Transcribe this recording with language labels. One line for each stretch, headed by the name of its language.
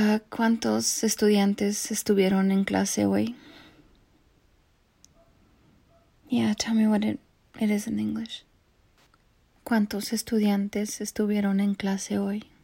Spanish: ¿Cuántos estudiantes estuvieron en clase hoy?
English: Yeah, tell me what it is in English.
Spanish: ¿Cuántos estudiantes estuvieron en clase hoy?